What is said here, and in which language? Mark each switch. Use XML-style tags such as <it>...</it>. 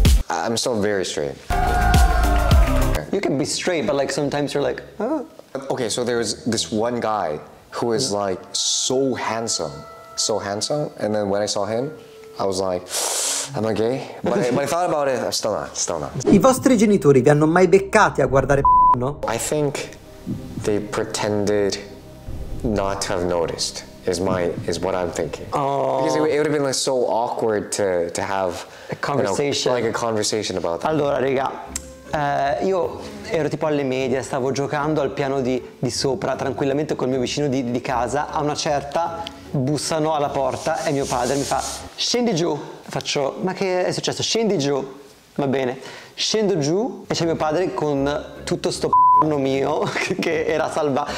<en>I'm still very straight. You can be straight, but like sometimes you're like, oh. Okay, so there was this one guy who is like so handsome. And then when I saw him, I was like, I'm okay, but I thought about it, still not.</en> <it>I vostri genitori vi hanno mai beccati a guardare porno?</it> <en>I think they pretended not to have noticed, is what I'm thinking. Oh. Because it would have been like so awkward to have a conversation. You know, like a conversation about that.</en> <it>Allora, raga. Io ero tipo alle medie, stavo giocando al piano di sopra, tranquillamente col mio vicino di casa. A una certa bussano alla porta e mio padre mi fa: scendi giù. Faccio: ma che è successo? Scendi giù. Va bene. Scendo giù e c'è mio padre con tutto sto p***o mio che era salvato.</it>